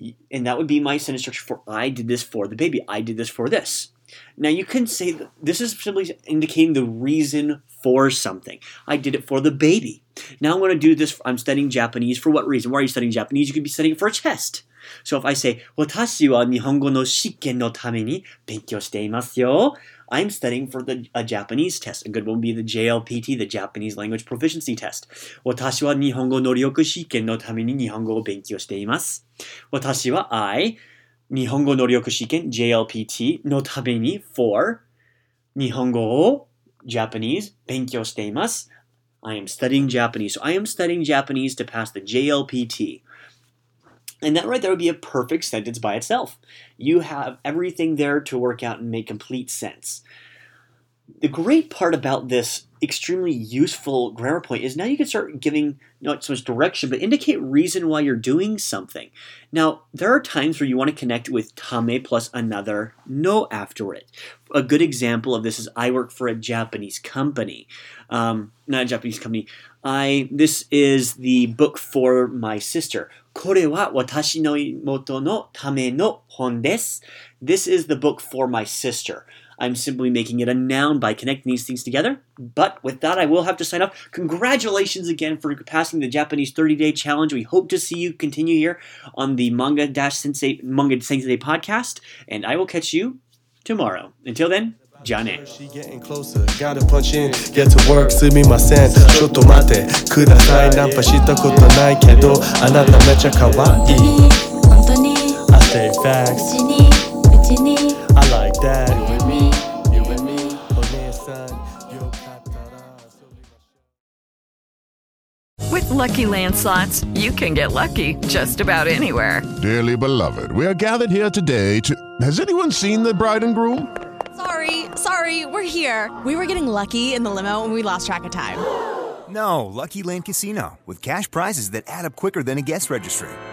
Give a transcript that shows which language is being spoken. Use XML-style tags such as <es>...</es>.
<en>And that would be my sentence structure for I did this for the baby. I did this for this. Now, you can say this is simply indicating the reason for something. I did it for the baby. Now, I'm going to do this. I'm studying Japanese. For what reason? Why are you studying Japanese? You could be studying it for a test.</en> <ja>So if I say, 私は日本語の試験のために勉強していますよ.</ja> <en>I'm studying for a Japanese test. A good one would be the JLPT, the Japanese Language Proficiency Test.</en> <ja>私は日本語能力試験のために日本語を勉強しています。私は日本語能力試験 JLPT のために for 日本語を Japanese 勉強しています。 I am studying Japanese.</ja> <en>So I am studying Japanese to pass the JLPT. And that right there would be a perfect sentence by itself. You have everything there to work out and make complete sense. The great part about this extremely useful grammar point is now you can start giving not so much direction, but indicate reason why you're doing something. Now, there are times where you want to connect with tame plus another no after it. A good example of this is I work for a Japanese company. This is the book for my sister.</en> <ja>これは私の妹のための本です。</ja> <en>This is the book for my sister. I'm simply making it a noun by connecting these things together. But with that, I will have to sign off. Congratulations again for passing the Japanese 30-day challenge. We hope to see you continue here on the Manga-Sensei podcast. And I will catch you tomorrow. Until then. Johnny. She getting closer, gotta punch in, get to work, see me my scent.</en> <ja>ちょっと待ってください、ナンパしたことないけど、あなためちゃ可愛い。</ja> <en>本当に、 I say facts. うちに、 I like that. You and me, お姉さん、よかったら。 With Lucky Land Slots, you can get lucky just about anywhere. Dearly beloved, we are gathered here today to... Has anyone seen the bride and groom? Sorry, sorry, we're here. We were getting lucky in the limo and we lost track of time. No, Lucky Land Casino, with cash prizes that add up quicker than a guest registry.</en>